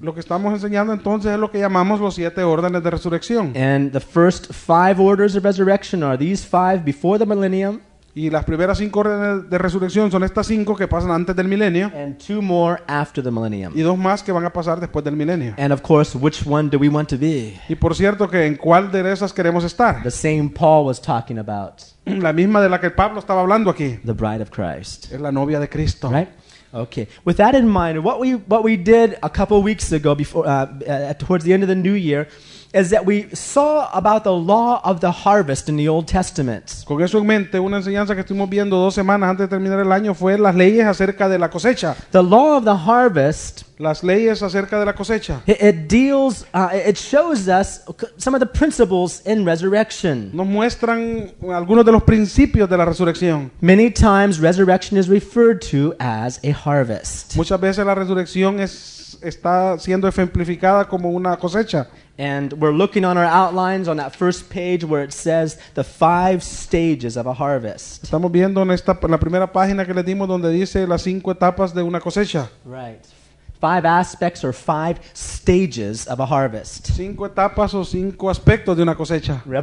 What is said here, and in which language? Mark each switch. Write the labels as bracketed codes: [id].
[es] Lo que estamos enseñando entonces es lo que llamamos los siete órdenes de resurrección. [en] And the first five orders of resurrection are these five before the millennium. [es] Y las primeras cinco órdenes de resurrección son estas cinco que pasan antes del milenio. [en] And two more after the millennium. [es] Y dos más que van a pasar después del milenio. [en] And of course, which one do we want to be? [es] Y por cierto, que ¿en cuál de esas queremos estar? [en] The same Paul was talking about. [es] La misma de la que Pablo estaba hablando aquí. [en] The bride of Christ. [es] Es la novia de Cristo. [en] Right? Okay. With that in mind, what we did a couple weeks ago towards the end of the new year is that we saw about the law of the harvest in the Old Testament. [es] Con eso en mente, una enseñanza que estuvimos viendo dos semanas antes de terminar el año fue las leyes acerca de la cosecha. [en] The law of the harvest. [es] Las leyes acerca de la cosecha. [en] It shows us some of the principles in resurrection. [es] Nos muestran algunos de los principios de la resurrección. [en] Many times resurrection is referred to as a harvest. [es] Muchas veces la resurrección está siendo ejemplificada como una cosecha. [en] And we're looking on our outlines on that first page where it says the five stages of a harvest. [es] Estamos viendo en la primera página que le dimos donde dice las cinco etapas de una cosecha. [en] Right. Five aspects or five stages of a harvest. [es] Cinco etapas o cinco aspectos de una cosecha.